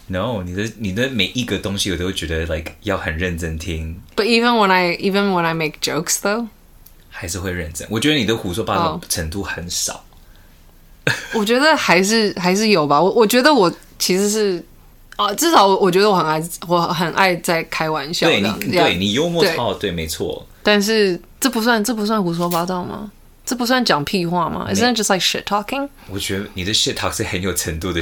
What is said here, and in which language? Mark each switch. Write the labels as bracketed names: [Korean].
[Chinese] No, 你的每一个东西我都会觉得 like 要很认真听。 [English] But even when I make jokes though, [Chinese] 还是会认真。我觉得你的胡说八道程度很少。我觉得还是有吧。我觉得我其实是啊，至少我觉得我很爱在开玩笑。对你，对你幽默超对，没错。但是这不算胡说八道吗？这不算讲屁话吗 ？ [English] Isn't it just like shit talking？ [Chinese] 我觉得你的 shit talk 是很有程度的